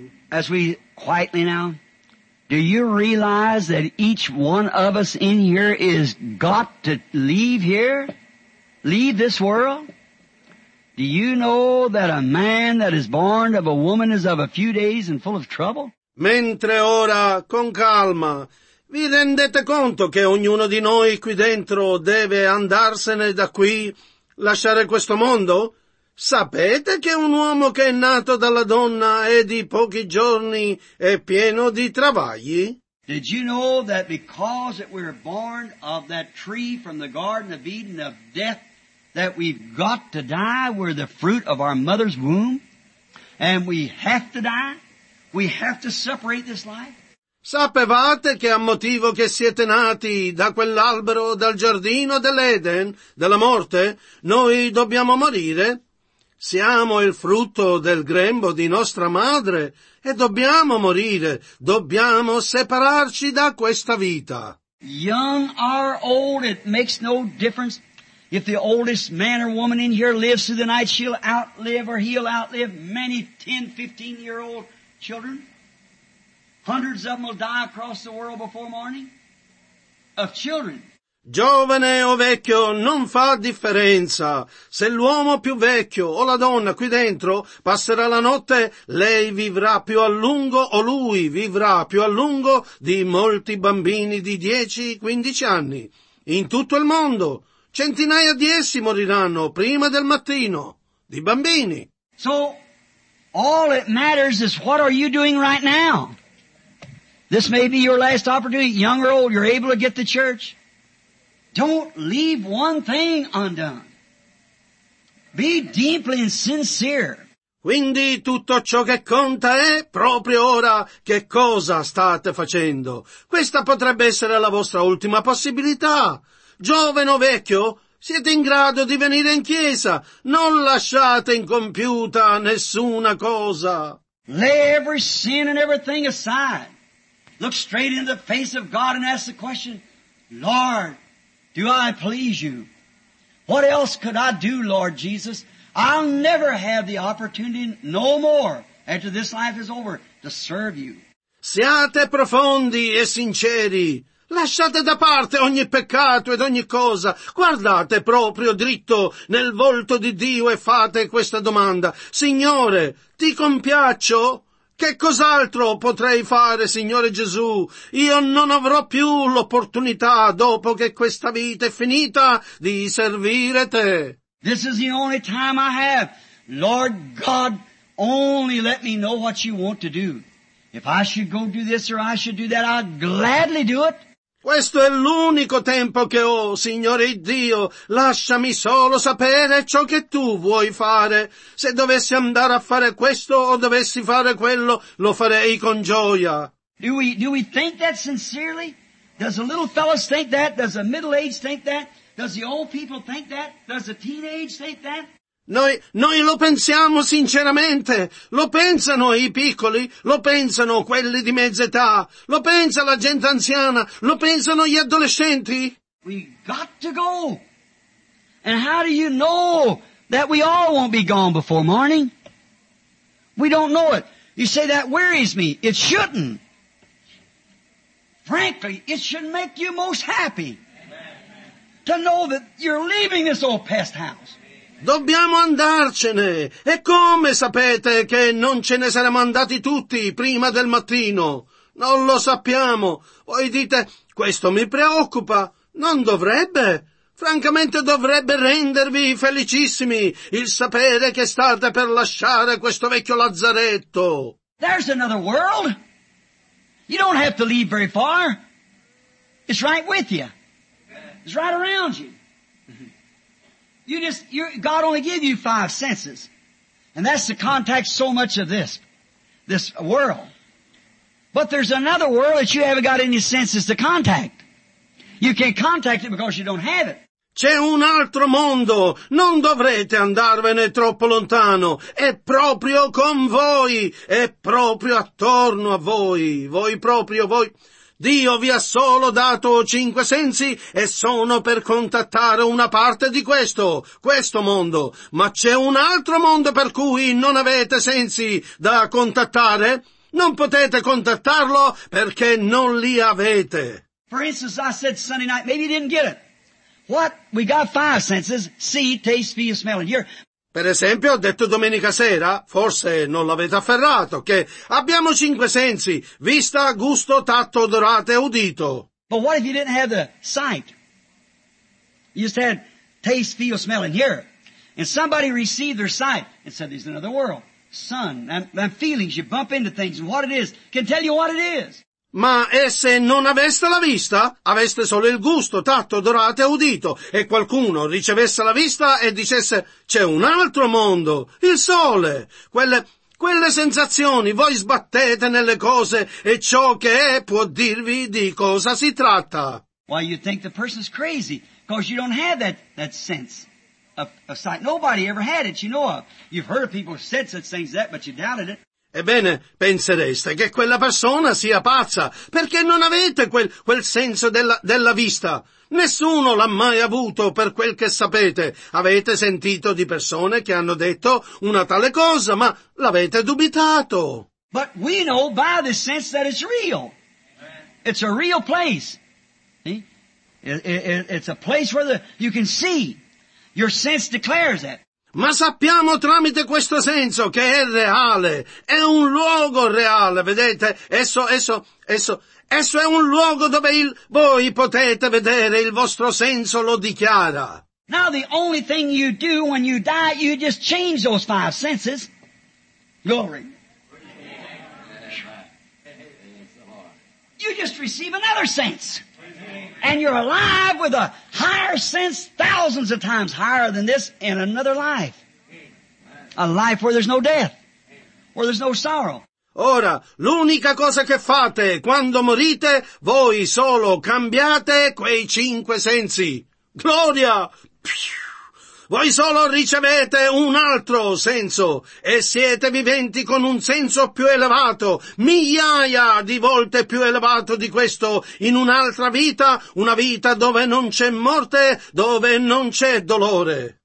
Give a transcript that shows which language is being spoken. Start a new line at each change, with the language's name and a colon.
English: As we quietly now, do you realize that each one of us in here is got to leave here? Leave this world? Do you know that a man that is born of a woman is of a few days and full of trouble?
Italian: Mentre ora, con calma, vi rendete conto che ognuno di noi qui dentro deve andarsene da qui, lasciare questo mondo? Sapete che un uomo che è nato dalla donna è di pochi giorni e pieno di travagli?
English: Did you know that because that we're born of that tree from the Garden of Eden of death, that we've got to die? We're the fruit of our mother's womb, and we have to die. We have to separate this life.
Italian: Sapevate che a motivo che siete nati da quell'albero, dal giardino dell'Eden, della morte, noi dobbiamo morire? Siamo il frutto del grembo di nostra madre e dobbiamo morire, dobbiamo separarci da questa vita.
English: Young or old, it makes no difference. If the oldest man or woman in here lives through the night, she'll outlive or he'll outlive many 10-15-year-old children. Hundreds of them will die across the world before morning of children.
Italian: Giovane o vecchio, non fa differenza. Se l'uomo più vecchio o la donna qui dentro passerà la notte, lei vivrà più a lungo o lui vivrà più a lungo di molti bambini di 10-15 anni. In tutto il mondo, centinaia di essi moriranno prima del mattino, di bambini.
English: So, all that matters is what are you doing right now? This may be your last opportunity, young or old, you're able to get to church. Don't leave one thing undone. Be deeply and sincere.
Italian: Quindi tutto ciò che conta è proprio ora che cosa state facendo. Questa potrebbe essere la vostra ultima possibilità. Giovane o vecchio, siete in grado di venire in chiesa. Non lasciate incompiuta nessuna cosa.
English: Lay every sin and everything aside. Look straight in the face of God and ask the question, Lord, do I please you? What else could I do, Lord Jesus? I'll never have the opportunity, no more, after this life is over, to serve you.
Italian: Siate profondi e sinceri. Lasciate da parte ogni peccato ed ogni cosa. Guardate proprio dritto nel volto di Dio e fate questa domanda. Signore, ti compiaccio? Che cos'altro potrei fare, Signore Gesù? Io non avrò più l'opportunità, dopo che questa vita è finita, di servire te.
English: This is the only time I have. Lord God, only let me know what you want to do. If I should go do this or I should do that, I'd gladly do it.
Italian: Questo è l'unico tempo che ho, Signore Dio, lasciami solo sapere ciò che Tu vuoi fare. Se dovessi andare a fare questo o dovessi fare quello, lo farei con gioia.
English: Do we think that sincerely? Does the little fellows think that? Does the middle age think that? Does the old people think that? Does the teenage think that?
Italian: Noi lo pensiamo sinceramente, lo pensano i piccoli, lo pensano quelli di mezza età, lo pensa la gente anziana, lo pensano gli adolescenti.
English: We got to go. And how do you know that we all won't be gone before morning? We don't know it. You say that worries me. It shouldn't. Frankly, it should make you most happy. Amen. To know that you're leaving this old pest house.
Italian: Dobbiamo andarcene. E come sapete che non ce ne saremo andati tutti prima del mattino? Non lo sappiamo. Voi dite, questo mi preoccupa. Non dovrebbe. Francamente dovrebbe rendervi felicissimi il sapere che state per lasciare questo vecchio lazzaretto.
English: There's another world. You don't have to leave very far. It's right with you. It's right around you. God only gave you 5 senses. And that's the context so much of this world. But there's another world that you haven't got any senses to contact. You can't contact it because you don't have it.
Italian: C'è un altro mondo, non dovrete andarvene troppo lontano, è proprio con voi, è proprio attorno a voi, voi proprio, voi. Dio vi ha solo dato 5 sensi e sono per contattare una parte di questo mondo. Ma c'è un altro mondo per cui non avete sensi da contattare? Non potete contattarlo perché non li avete.
English: For instance, I said Sunday night, maybe you didn't get it. What? We got 5 senses, see, taste, feel, smell, and hear.
Italian: Per esempio, ho detto domenica sera, forse non l'avete afferrato, che abbiamo 5 sensi, vista, gusto, tatto, odorato e udito.
English: But what if you didn't have the sight? You just had taste, feel, smell, and hear. And somebody received their sight and said, there's another world. Sun, and feelings, you bump into things, and what it is, can tell you what it is.
Italian: Ma e se non aveste la vista, aveste solo il gusto, tatto, odorato e udito, e qualcuno ricevesse la vista e dicesse, c'è un altro mondo, il sole, quelle sensazioni, voi sbattete nelle cose, e ciò che è può dirvi di cosa si tratta.
English: Why you think the person's crazy, because you don't have that sense of sight. Nobody ever had it, you know of. You've heard of people who said such things that, but you doubted it.
Italian: Ebbene, pensereste che quella persona sia pazza, perché non avete quel senso della vista. Nessuno l'ha mai avuto, per quel che sapete. Avete sentito di persone che hanno detto una tale cosa, ma l'avete dubitato.
English: But we know by the sense that it's real. It's a real place. It's a place where you can see. Your sense declares that.
Italian: Ma sappiamo tramite questo senso che è reale, è un luogo reale, vedete? Esso è un luogo dove voi potete vedere, il vostro senso lo dichiara.
English: Now the only thing you do when you die, you just change those 5 senses. Glory. You just receive another sense. And you're alive with a higher sense, thousands of times higher than this, in another life. A life where there's no death, where there's no sorrow.
Italian: Ora, l'unica cosa che fate quando morite, voi solo cambiate quei 5 sensi. Gloria! Voi solo ricevete un altro senso e siete viventi con un senso più elevato, migliaia di volte più elevato di questo, in un'altra vita, una vita dove non c'è morte, dove non c'è dolore.